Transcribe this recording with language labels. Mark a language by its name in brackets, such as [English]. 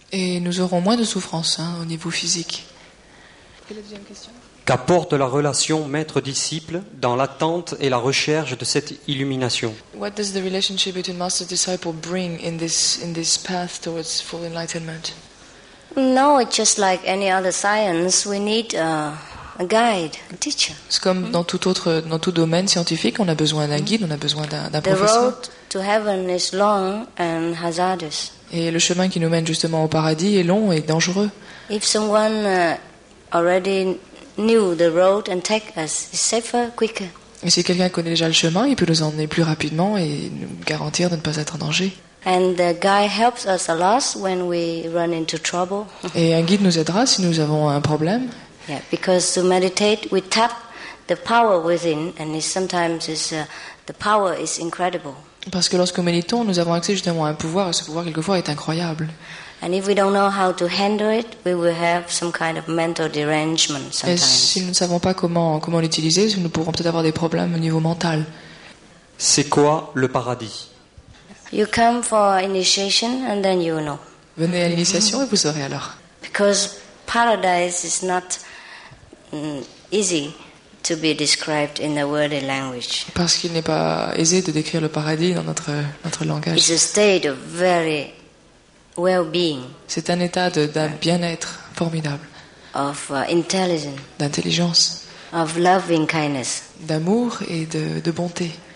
[French] Et nous aurons moins de souffrance, hein, au niveau physique. Qu'apporte la relation maître-disciple dans l'attente et la recherche de cette illumination? [English] What does the relationship between master and disciple bring in this path towards full enlightenment? No, it's just like any other science, we need a guide, a teacher. [French] C'est comme dans tout domaine scientifique, on a besoin d'un guide, on a besoin d'un [English] the [French] professeur. [English] Road to heaven is long and hazardous. [French] Et le chemin qui nous mène justement au paradis est long et dangereux. [English] If someone already knew the road and take us, it's safer, quicker. [French] Et si quelqu'un connaît déjà le chemin, il peut nous emmener plus rapidement et nous garantir de ne pas être en danger. [English] And the guide helps us a lot when we run into trouble. [French] Et un guide nous aidera si nous avons un problème. [English] Yeah, because to meditate, we tap the power within, and sometimes the power is incredible. [French] Parce que lorsque nous méditons, nous avons accès justement à un pouvoir, et ce pouvoir quelquefois est incroyable. [English] And if we don't know how to handle it, we will have some kind of mental derangement sometimes. [French] Et si nous ne savons pas comment l'utiliser, nous pourrons peut-être avoir des problèmes au niveau mental. C'est quoi le paradis? [English] You come for initiation and then you know. [French] Venez à l'initiation et vous saurez alors. [English] Because paradise is not easy to be described in the worldly language. [French] Parce qu'il n'est pas aisé de décrire le paradis dans notre langage. [English] It's a state of very well-being. [French] C'est un état d'un bien-être formidable. [English] Of intelligence. [French] D'intelligence. [English] Of loving kindness. [French] D'amour et de bonté.